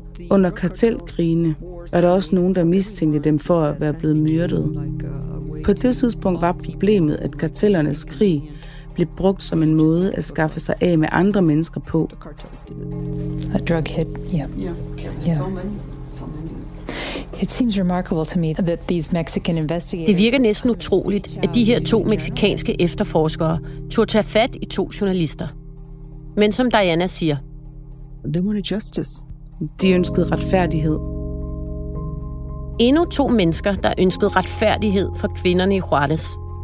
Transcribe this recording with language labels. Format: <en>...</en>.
<da>Under kartelkrigene er der også nogen, der mistænkte dem for at være blevet myrdet. På det tidspunkt var problemet, at kartellernes krig blev brugt som en måde at skaffe sig af med andre mennesker på.</da> <en>A drug hit, yeah. It seems remarkable to me that these Mexican investigators...</en> <da>Det virker næsten utroligt, at de her to mexicanske efterforskere tog tage fat i to journalister. Men som Diana siger...</da> <en>They wanted justice.</en> <da>De ønskede retfærdighed. Endnu to mennesker, der ønskede retfærdighed for kvinderne i Juárez.</da>